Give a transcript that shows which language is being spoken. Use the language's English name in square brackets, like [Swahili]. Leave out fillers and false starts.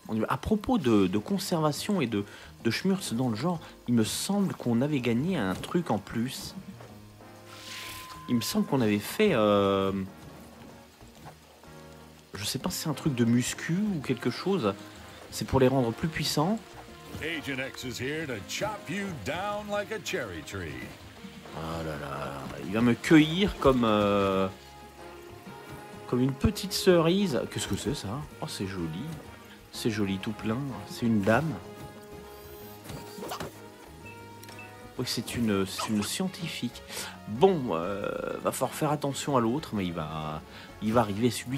[French] À propos de conservation et de schmurz dans le genre, il me semble qu'on avait gagné un truc en plus. Il me semble qu'on avait fait... Je sais pas si c'est un truc de muscu ou quelque chose. C'est pour les rendre plus puissants. [English] Agent X is here to chop you down like a cherry tree. [French] Oh là là, il va me cueillir comme une petite cerise. Qu'est-ce que c'est ça? Oh, c'est joli. C'est joli tout plein, c'est une dame. Oui, c'est une scientifique. Bon, va falloir faire attention à l'autre, mais il va arriver subit.